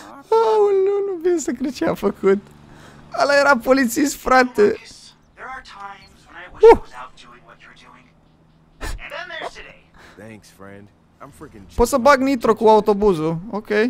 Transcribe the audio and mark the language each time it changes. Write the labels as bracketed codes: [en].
[ro] Aoleu, nu vin să cred ce a făcut. Ăla era polițist, frate. [en] There are times when I wish I was out doing what you're doing. And then there's today. Thanks, friend. [ro] Poți să bag nitro cu autobuzul, ok.